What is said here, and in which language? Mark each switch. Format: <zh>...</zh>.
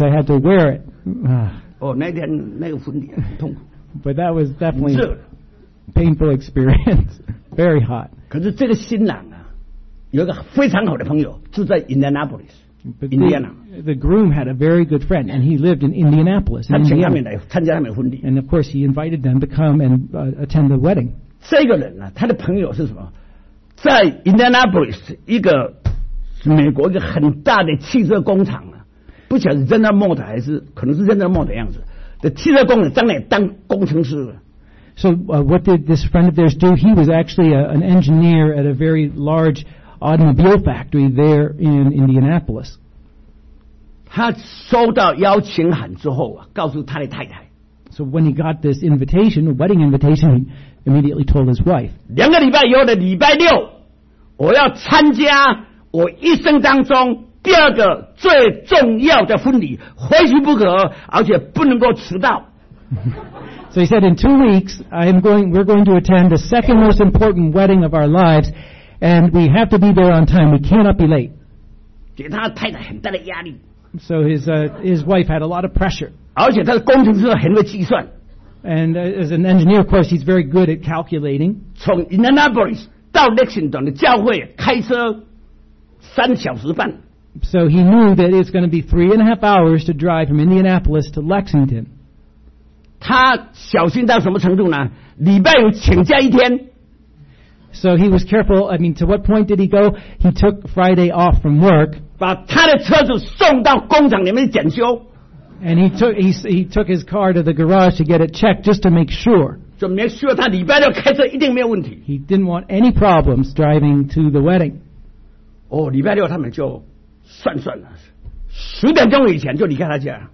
<en>I had to wear it. But that was definitely a painful experience. Very hot. The groom had a very good friend, and he lived in Indianapolis. And of course, he invited them to come and attend the wedding.</en> <zh>这个人啊, 他的朋友是什么? 在Indianapolis一个, 美国一个很大的汽车工厂, 不晓得是General Motor还是, 可能是General Motor的样子, 汽车工厂当工程师。</zh> <en>So what did this friend of theirs do? He was actually an engineer at a very large automobile factory there in Indianapolis.</en> <zh>他收到邀请函之后啊, 告诉他的太太,</zh> <en>So when he got this invitation, a wedding invitation, he immediately told his wife,</en> <zh>2个礼拜以后的礼拜六, 我要参加我一生当中第二个最重要的婚礼, 非去不可, 而且不能够迟到。</zh> <en>So he said, in 2 weeks, we're going to attend the second most important wedding of our lives, and we have to be there on time. We cannot be late.</en> <zh>给他太太很大的压力。</zh> <en>So his wife had a lot of pressure.</en> <zh>而且他的工程师很会计算。</zh> <en>And as an engineer, of course, he's very good at calculating.</en> <zh>从 Indianapolis 到 Lexington的教会 开车3小时半。</zh> <en>So he knew that it's going to be 3.5 hours to drive from Indianapolis to Lexington.</en> <zh>他小心到什么程度呢?礼拜五请假一天。</zh> <en>So he was careful. I mean, to what point did he go? He took Friday off from work.</en> <zh>把他的车子送到工厂里面检修。</zh> <en>And he took his car to the garage to get it checked just to make sure. So make sure</en> <zh>他礼拜六开车一定没有问题.</zh> <en>He didn't want any problems driving to the wedding.</en> <zh>Oh, 礼拜六他们就算了，十点钟以前就离开他家.</zh>